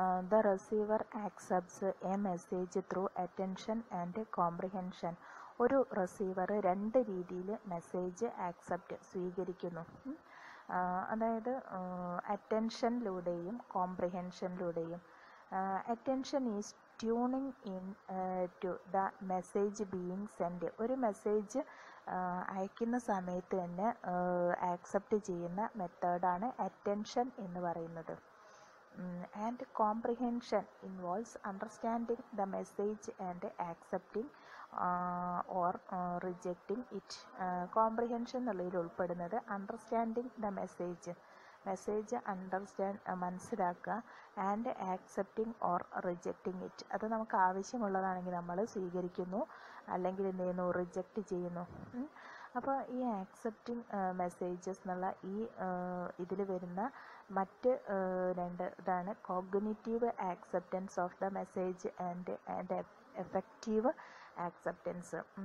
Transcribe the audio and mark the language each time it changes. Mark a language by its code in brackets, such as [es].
[en] The receiver accepts a message through attention and comprehension. [ml] ഒരു receiver രണ്ട് രീതിയിൽ message accept സ്വീകരിക്കുന്നു, അതായത് അറ്റൻഷനിലൂടെയും കോംപ്രിഹെൻഷനിലൂടെയും. [en] Attention is tuning in to the message being sent. [ml] ഒരു message അയക്കുന്ന സമയത്ത് തന്നെ ആക്സെപ്റ്റ് ചെയ്യുന്ന മെത്തേഡാണ് അറ്റൻഷൻ എന്ന് പറയുന്നത്. [en] And comprehension involves understanding the message and accepting or rejecting it. [ml] Comprehension എന്നുള്ളതിൽ ഉൾപ്പെടുന്നത് [en] understanding the message understand [ml] മനസ്സിലാക്കുക, [en] and accepting or rejecting it, [ml] അത് നമുക്ക് ആവശ്യമുള്ളതാണെങ്കിൽ നമ്മൾ സ്വീകരിക്കുന്നു അല്ലെങ്കിൽ എന്ത് ചെയ്യുന്നു, റിജക്റ്റ് ചെയ്യുന്നു. അപ്പോൾ ഈ ആക്സെപ്റ്റിംഗ് മെസ്സേജസ് എന്നുള്ള ഈ ഇതിൽ വരുന്ന മറ്റ് രണ്ട് ഇതാണ് [en] Cognitive acceptance of the message and effective acceptance.